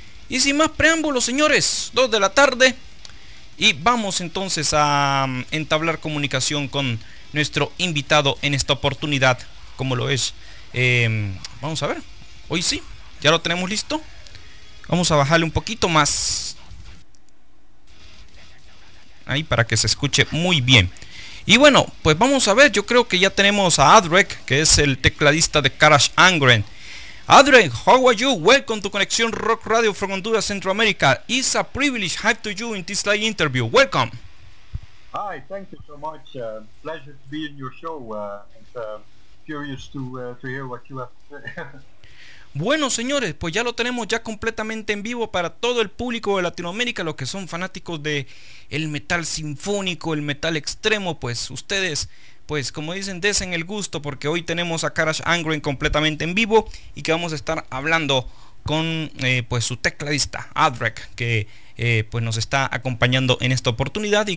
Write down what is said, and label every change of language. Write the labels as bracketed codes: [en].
[es] Y sin más preámbulos, señores, 2 de la tarde, y vamos entonces a entablar comunicación con nuestro invitado en esta oportunidad, como lo es, vamos a ver, hoy sí, ya lo tenemos listo. Vamos a bajarle un poquito más ahí para que se escuche muy bien. Y bueno, pues vamos a ver, yo creo que ya tenemos a Aldrich, que es el tecladista de Carach Angren. [en] Aldrich, how are you? Welcome to [es] Conexión Rock Radio [en] from Honduras, Central America. It's a privilege have to you in this live interview. Welcome. Hi, thank you so much. Pleasure to be in your show. Curious to hear what you have to say. [es] Bueno, señores, pues ya lo tenemos ya completamente en vivo para todo el público de Latinoamérica, los que son fanáticos de el metal sinfónico, el metal extremo, pues ustedes, pues como dicen, desen el gusto, porque hoy tenemos a Carach Angren completamente en vivo y que vamos a estar hablando con pues su tecladista Aldrich, que pues nos está acompañando en esta oportunidad.